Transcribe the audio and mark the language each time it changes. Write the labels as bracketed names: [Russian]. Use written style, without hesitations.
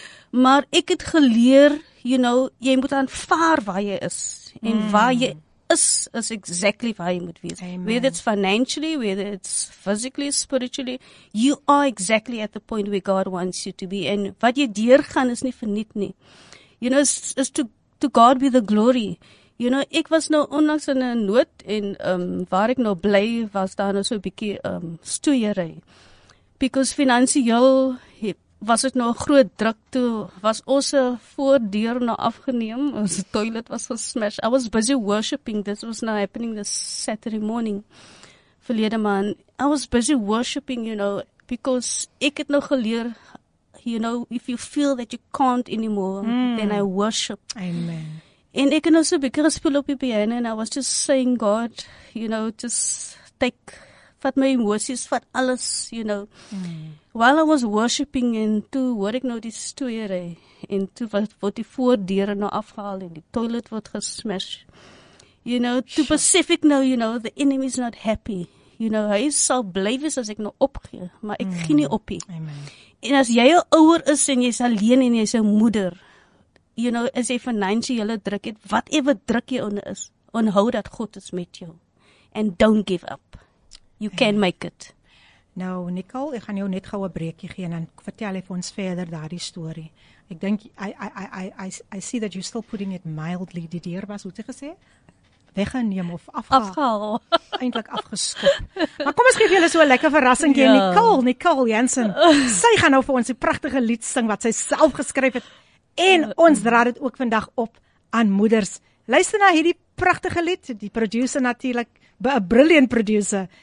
[Afrikaans] Maar ek het geleer, you know, jy moet aanvaar waar jy is. En waar jy is, is exactly waar jy moet wees. Amen. [English] Whether it's financially, whether it's physically, spiritually, you are exactly at the point where God wants you to be. [Afrikaans] En wat jy deurgaan is nie verniet nie. [English] You know, is to God be the glory. [Afrikaans] You know, ek was nou onlangs in 'n nood en waar ek nou bly was daar nou so 'n bietjie stoeiery. Because finansiëel was dit nou 'n groot druk toe was ons voordeur nou afgeneem, ons toilet was gesmash. [English] I was busy worshiping. This was now happening this Saturday morning. [Afrikaans] Verlede maand, [English] I was busy worshiping, you know, because [Afrikaans] ek het nou geleer, [English] you know, if you feel that you can't anymore, then I worship. Amen. [Afrikaans] En ek en ons het gespeel op die piano en [English] I was just saying God, you know, just take [Afrikaans] vat my emosies, vat alles, you know. [English] While I was worshipping, [Afrikaans] en toe hoor ek nou die story, en toe word die voordeure nou afgehaal, en die toilet word gesmash. [English] You know, to Pacific now, you know, the enemy is not happy. [Afrikaans] You know, hy sal bly wees as ek nou opgee, maar ek gee nie op nie. En as jy 'n ouer is en jy's alleen en jy's 'n moeder, you know, as jy finansiële druk het, whatever druk jy onder is, onthou dat God is met jou. [English] And don't give up. You can make it. [Afrikaans] Nou, Nicole, ek gaan jou net gou 'n breekie gee en dan vertel jy vir ons verder daardie storie. Ek dink [English] I see that you're still putting it mildly. [Afrikaans] Die deur was, hoe het jy gesê? Weggeneem of afgehaal. Eindelijk afgeskop. Maar kom, ons geef julle so 'n lekker verrassing. Yeah. Nicole Jansen. Sy gaan nou vir ons die prachtige lied sing wat sy self geskryf het. En ons dra dit ook vandag op aan moeders. Luister na hierdie prachtige lied. Die producer natuurlijk, [English] a brilliant producer.